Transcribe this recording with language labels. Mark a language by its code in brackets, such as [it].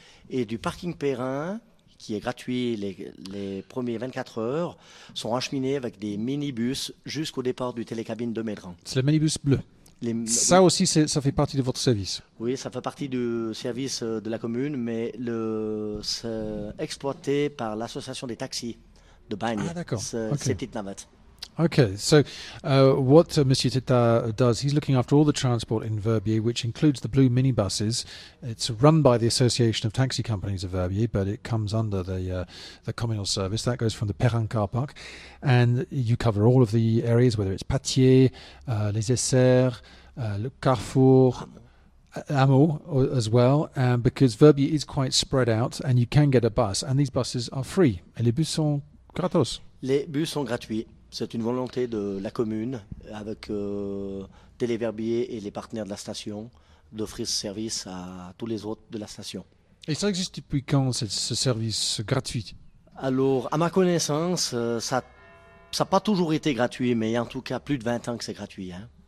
[fr] Et du parking Perrin, qui est gratuit les premiers 24 heures, sont acheminés avec des minibus jusqu'au départ du télécabine de Médrin. C'est le minibus bleu. Ça Oui. aussi, ça fait partie de votre service. Oui, ça fait partie du service de la commune, mais c'est exploité par l'association des taxis de Ah, Bagne, d'accord. ces OK. petites navettes. [en] Okay, so what Monsieur Tita does, he's looking after all the transport in Verbier, which includes the blue minibuses. It's run by the Association of Taxi Companies of Verbier, but it comes under the communal service. That goes from the Perrin car park, and you cover all of the areas, whether it's Patier, Les Essert, Le Carrefour, Hameau as well, because Verbier is quite spread out, and you can get a bus, and these buses are free, [fr] et les bus sont gratos. Les bus sont gratuits. C'est une volonté de la commune, avec Téléverbier et les partenaires de la station, d'offrir ce service à tous les autres de la station. Et ça existe depuis quand, ce service gratuit? Alors, à ma connaissance, ça n'a pas toujours été gratuit, mais en tout cas, plus de 20 ans que c'est gratuit, hein.